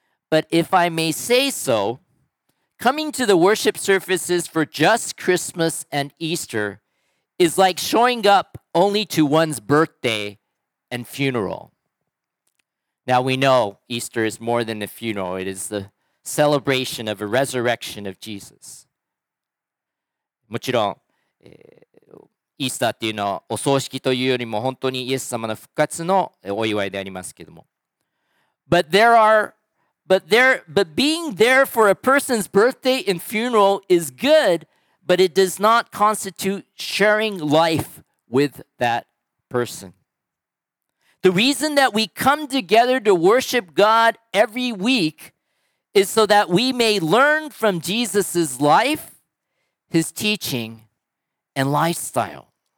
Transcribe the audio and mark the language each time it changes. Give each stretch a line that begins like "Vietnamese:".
English: But if I may say so, coming to the worship services for just Christmas and Easter is like showing up only to one's birthday and funeral. Now we know Easter is more than a funeral. It is the celebration of a resurrection of Jesus.
Japanese: イースターっていうのはお葬式というよりも本当にイエス様の復活のお祝いでありますけども。
English: But being there for a person's birthday and funeral is good, but it does not constitute sharing life with that person. The reason that we come together to worship God every week is so that we may learn from Jesus' life, his teaching, and lifestyle.